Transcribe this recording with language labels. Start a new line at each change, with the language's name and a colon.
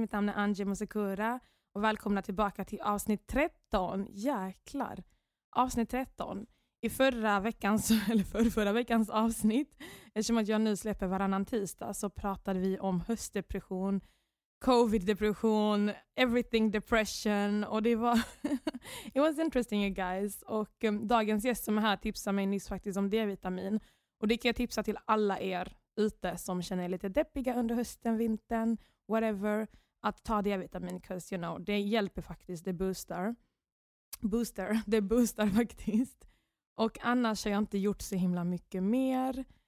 Swedish: Mitt namn är Angie Musakura och välkomna tillbaka till avsnitt 13. Jäklar, avsnitt 13. I förra veckans avsnitt, eftersom att jag nu släpper varannan tisdag, så pratade vi om höstdepression, covid-depression,
English: everything depression.
Swedish: Och det var,
English: it was interesting you guys.
Swedish: Och dagens gäst som är här tipsade mig nyss faktiskt om D-vitamin. Och det kan jag tipsa till alla er ute som känner er lite deppiga under hösten, vintern, whatever. Att ta D-vitamin,
English: because you know,
Swedish: det hjälper faktiskt, det boostar. Booster, det boostar faktiskt. Och annars har jag inte gjort så himla mycket mer.